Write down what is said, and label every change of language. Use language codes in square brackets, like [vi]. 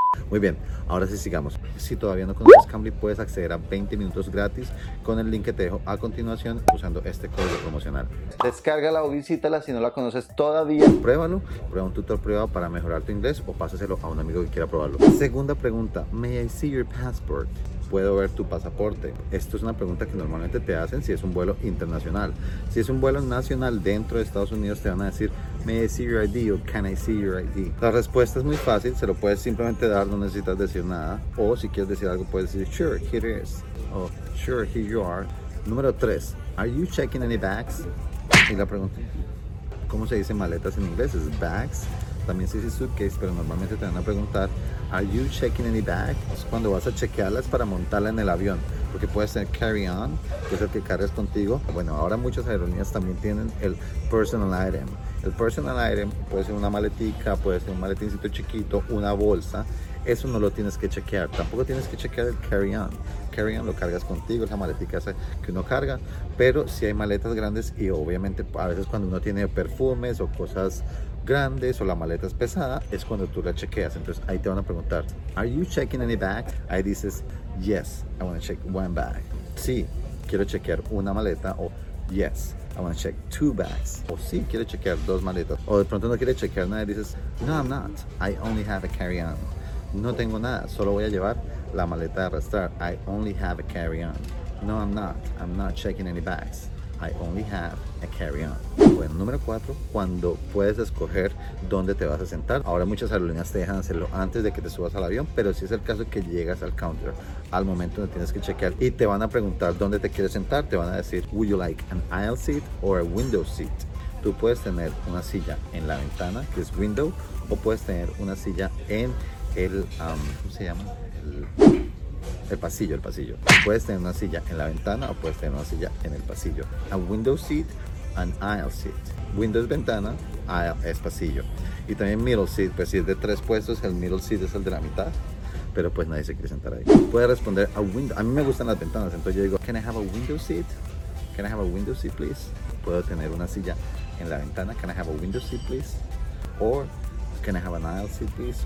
[es] Muy bien, ahora sí sigamos. Si todavía no conoces Cambly, puedes acceder a 20 minutos gratis con el link que te dejo a continuación usando este código promocional. Descárgala o visítala si no la conoces todavía. Pruébalo, prueba un tutor privado para mejorar tu inglés o pásaselo a un amigo que quiera probarlo. Segunda pregunta, [en] May I see your passport? [es] ¿Puedo ver tu pasaporte? Esto es una pregunta que normalmente te hacen si es un vuelo internacional. Si es un vuelo nacional dentro de Estados Unidos, te van a decir [en] May I see your ID [es] o [en] Can I see your ID? [es] La respuesta es muy fácil, se lo puedes simplemente dar, no necesitas decir nada. O si quieres decir algo, puedes decir [en] Sure, here it is. [es] O [en] Sure, here you are. [es] Número 3. [en] Are you checking any bags? [es] Y la pregunta, ¿cómo se dice maletas en inglés? ¿Es bags? También se dice suitcase, pero normalmente te van a preguntar [en] Are you checking any bags? [es] Cuando vas a chequearlas para montarla en el avión, porque puede ser carry on, que es el que cargas contigo. Bueno, ahora muchas aerolíneas también tienen el personal item. El personal item puede ser una maletica, puede ser un maletincito chiquito, una bolsa. Eso no lo tienes que chequear. Tampoco tienes que chequear el carry on. Carry on lo cargas contigo, esa maletica esa que uno carga. Pero si hay maletas grandes y obviamente a veces cuando uno tiene perfumes o cosas grandes o la maleta es pesada, es cuando tú la chequeas. Entonces ahí te van a preguntar, [en] Are you checking any bag? [es] Ahí dices, [en] Yes, I want to check one bag. [es] Sí, quiero chequear una maleta. [en] O Yes, I want to check two bags. [es] O sí, quiero chequear dos maletas. O de pronto no quiere chequear nada y dices, [en] No, I'm not. I only have a carry on. [es] No tengo nada, solo voy a llevar la maleta de arrastrar. [en] I only have a carry on. No, I'm not. I'm not checking any bags. I only have a carry on. [es] Bueno, número 4, cuando puedes escoger dónde te vas a sentar. Ahora muchas aerolíneas te dejan hacerlo antes de que te subas al avión, pero si es el caso que llegas al counter, al momento donde tienes que chequear y te van a preguntar dónde te quieres sentar, te van a decir, [en] would you like an aisle seat or a window seat? [es] Tú puedes tener una silla en la ventana, que es window, o puedes tener una silla en el, ¿cómo se llama? El pasillo. Puedes tener una silla en la ventana o puedes tener una silla en el pasillo. [en] A window seat, an aisle seat. [es] Window es ventana, aisle es pasillo. Y también middle seat, pues si es de 3 puestos, el middle seat es el de la mitad. Pero pues nadie se quiere sentar ahí. Puedes responder a window. A mí me gustan las ventanas, entonces yo digo, [en] can I have a window seat? Can I have a window seat, please? [es] Puedo tener una silla en la ventana. [en] Can I have a window seat, please? Or, can I have an aisle seat, please?